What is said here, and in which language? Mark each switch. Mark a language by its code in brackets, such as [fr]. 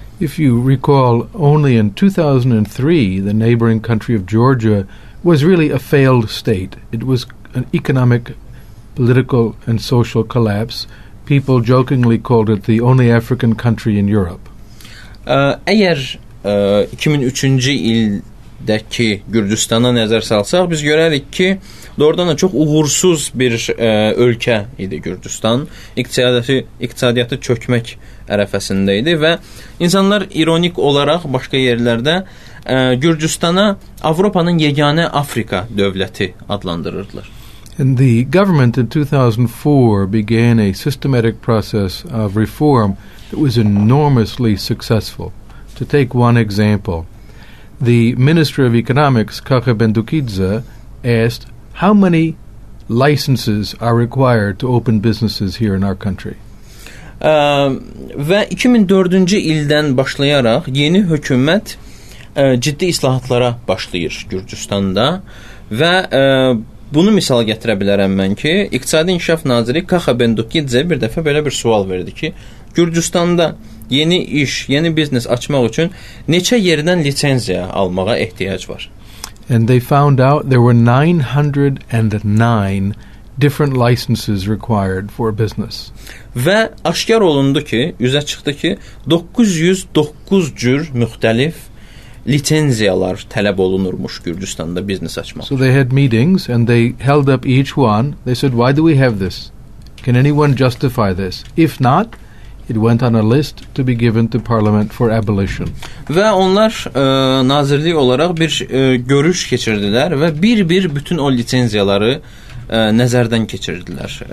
[en] If you recall, only in 2003, the neighboring country of Georgia was really a failed state. It was an economic, political, and social collapse. People jokingly called it the only African country in Europe. [az] Əgər 2003-cü ildəki Gürcüstana nəzər salsaq, biz görərik ki, doğrudan da çox uğursuz bir ölkə idi Gürcüstan. İqtisadiyyatı çökmək ərəfəsində idi və insanlar ironik olaraq başqa yerlərdə Gürcüstana Avropanın yeganə Afrika dövləti adlandırırdılar. [en] And the government in 2004 began a systematic process of reform that was enormously successful. To take one example, the Minister of Economics, Kakha Bendukidze, asked, how many licenses are required to open businesses here in our country? [az] Və 2004-cü ildən başlayaraq yeni hökumət ciddi islahatlara başlayır Gürcüstanda və bunu misal gətirə bilərəm mən ki, İqtisadi İnkişaf Naziri Kakha Bendukidze bir dəfə belə bir sual verdi ki, Gürcüstanda yeni iş, yeni biznes açmaq üçün neçə yerdən lisenziya almağa ehtiyac var? [en] And they found out there were 909 different licenses required for business. [az] Və aşkar olundu ki, üzə çıxdı ki, 909 cür müxtəlif lisenziyalar tələb olunurmuş Gürcüstanda biznes açmaq. [en] So they had meetings and they held up each one. They said, why do we have this? Can anyone justify this? If not, it went on a list to be given to parliament for abolition. [az] Və onlar nazirlik olaraq bir görüş keçirdilər və bir-bir bütün o lisenziyaları nəzərdən keçirdilər.